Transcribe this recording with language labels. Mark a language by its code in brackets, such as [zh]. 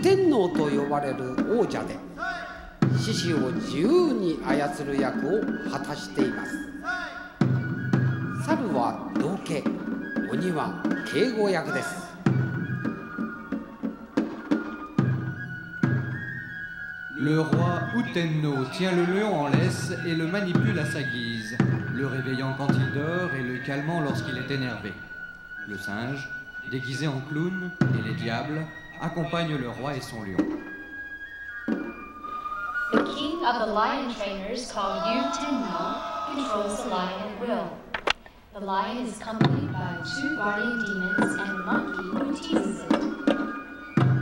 [ja] 天皇と呼ばれる王者で、獅子を自由に操る役を果たしています。猿は道化、鬼は警護役です。 [fr] Le roi Utenno tient le lion en laisse et le manipule à sa guise, le réveillant quand il dort et le calmant lorsqu'il est énervé. Le singe, déguisé en clown, et les diables accompagnent le roi et son lion. [en] The king of the lion trainers called Utenno controls the lion at will. The lion is accompanied by two guardian demons and a monkey who teases it.